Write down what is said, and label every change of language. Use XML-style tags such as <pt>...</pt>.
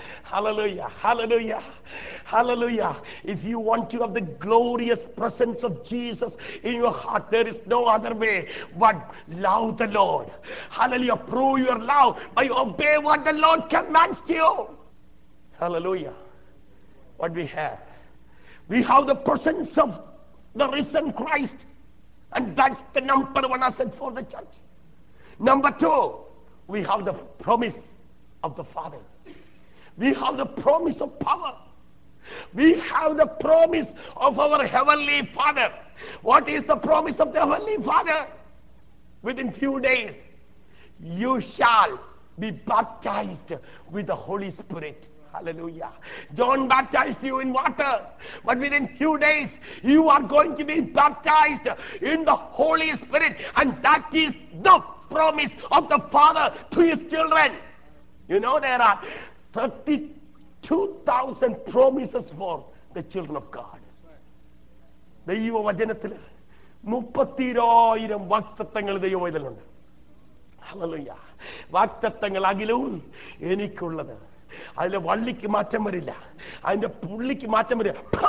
<en>ഹല്ലേലൂയ, ഹല്ലേലൂയ, ഹല്ലേലൂയ. If you want to have the glorious presence of Jesus in your heart, there is no other way but love the Lord. ഹല്ലേലൂയ. Prove your love by obey what the Lord commands to you. ഹല്ലേലൂയ. What we have? We have the presence of the risen Christ, and that's the number one asset for the church. Number two, we have the promise of the Father. We have the promise of power. We have the promise of our Heavenly Father. What is the promise of the Heavenly Father? Within few days, you shall be baptized with the Holy Spirit. Hallelujah. John baptized you in water, but within few days you are going to be baptized in the Holy Spirit, and that is the promise of the Father to his children. You know, there are 32,000 promises for the children of God.</en> <ml>ദൈവ വചനത്തിൽ 32,000 വാഗ്ദത്തങ്ങൾ ദൈവ വചനത്തിലുണ്ട്. Hallelujah. വാഗ്ദത്തങ്ങൾ അഖിലവും എനിക്കുള്ളത്. അതിലെ വള്ളിക്ക് മാറ്റം വരില്ല, അതിന്റെ പുള്ളിക്ക് മാറ്റം വരില്ല.</ml>